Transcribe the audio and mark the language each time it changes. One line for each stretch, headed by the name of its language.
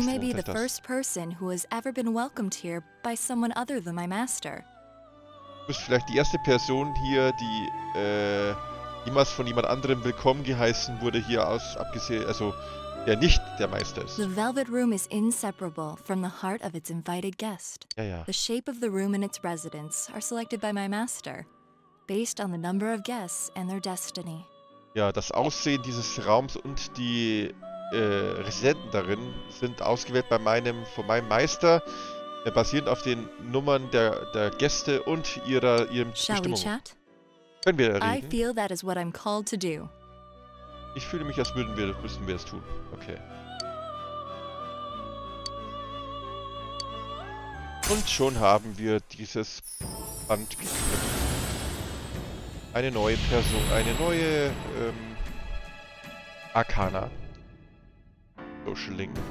English: You may be the first person who has ever been welcomed here by someone other than my master.
German: Du bist vielleicht die erste Person hier, die jemals von jemand anderem willkommen geheißen wurde hier aus, abgesehen, also der nicht der Meister ist.
English: The Velvet Room is inseparable from the heart of its invited guest.
German: Ja, ja.
English: The shape of the room and its residence are selected by my master, based on the number of guests and their destiny.
German: Ja, das Aussehen dieses Raums und die Residenten darin sind ausgewählt von meinem Meister. Basierend auf den Nummern der Gäste und ihrem Bestimmung. Können wir reden?
English: I feel that is what I'm called to do.
German: Ich fühle mich, als müssten wir das tun. Okay. Und schon haben wir dieses Band gekriegt. Eine neue Person, eine neue Arcana. Social Link.